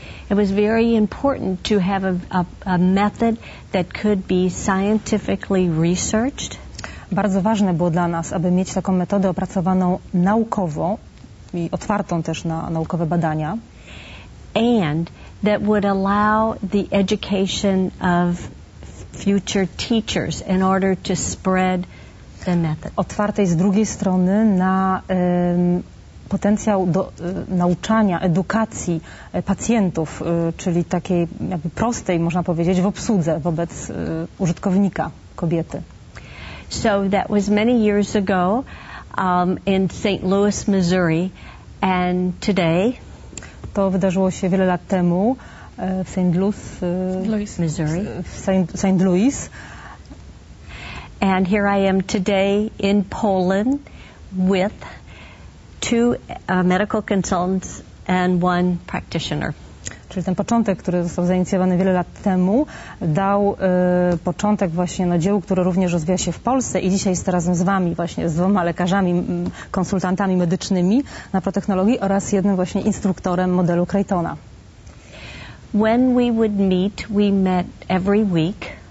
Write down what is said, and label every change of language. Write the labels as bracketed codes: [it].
[en] It was very important to have a method that could be scientifically researched. [pl] Bardzo ważne było dla nas, aby mieć taką metodę opracowaną naukowo i otwartą też na naukowe badania. [en] And that would allow the education of future teachers in order to spread the method. [pl] Otwarte z drugiej strony na potencjał do nauczania, edukacji pacjentów, czyli takiej jakby prostej, można powiedzieć, w obsłudze wobec użytkownika, kobiety. [en] So that was many years ago in St. Louis, Missouri, and today. [pl] To wydarzyło się wiele lat temu w St. Louis, Missouri. [en] St. Louis. And here I am today in Poland with two medical consultants and one practitioner. [pl] Czyli ten początek, który został zainicjowany wiele lat temu, dał początek właśnie dziełu, które również rozwija się w Polsce i dzisiaj jest razem z wami właśnie, z dwoma lekarzami, konsultantami medycznymi na protechnologii oraz jednym właśnie instruktorem modelu Crichtona. [en] When we would meet, we met every week.